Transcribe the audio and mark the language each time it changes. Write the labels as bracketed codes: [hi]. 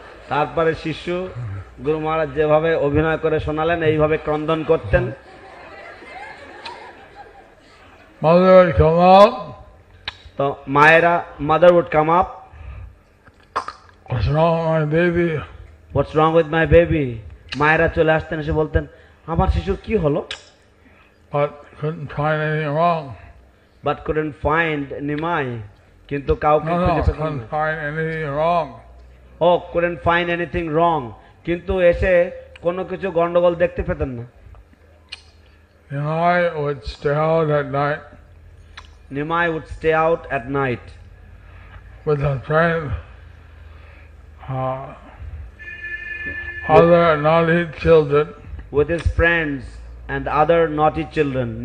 [bn] তারপরে শিশু গুরু মহারাজ যেভাবে অভিনয় করে শোনালেন এইভাবে ক্রন্দন করতেন। [en] Mother would come up. [bn] তো মায়েরা [en] mother would come up. What's wrong with my baby? What's wrong with my baby? [bn] মায়েরা চলে আসতেন এসে বলতেন আমার শিশুর কি হলো? [en] But couldn't find anything wrong. But couldn't find Nimai. [bn] কিন্তু কাউকে খুঁজে পেলেন না. [en] No, couldn't find anything wrong. Oh, couldn't find anything wrong. [bn] কিন্তু এসে কোনো কিছু গন্ডগোল দেখতে পেতেন না. [en] Nimai would stay out at night. Nimai would stay out at night. With her friend, other naughty children. With his friends and other naughty children.